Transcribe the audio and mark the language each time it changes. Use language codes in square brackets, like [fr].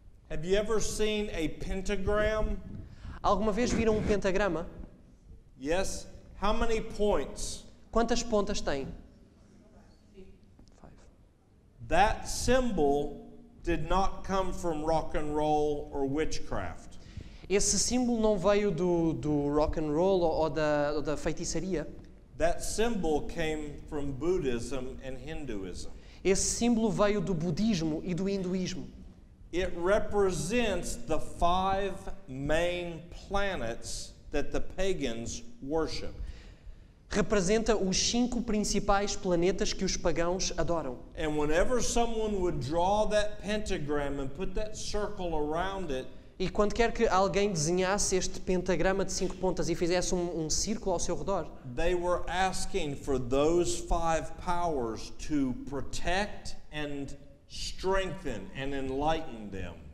[en] Have you ever seen a pentagram? [pt] Alguma vez viram um pentagrama? [en] Yes. How many points? [pt] Quantas pontas tem? [en] That symbol did not come from rock and roll or witchcraft. [pt] Esse símbolo não veio do rock and roll ou da feitiçaria. [en] That symbol came from Buddhism and Hinduism. [pt] Esse símbolo veio do budismo e do hinduísmo. [en] It represents the five main planets that the pagans worship. [pt] Representa os cinco principais planetas que os pagãos adoram. [en] And whenever someone would draw that pentagram and put that circle around it, [pt] e quando quer que alguém desenhasse este pentagrama de cinco pontas e fizesse um círculo ao seu redor, [en] they were asking for those five powers to protect and strengthen and enlighten them.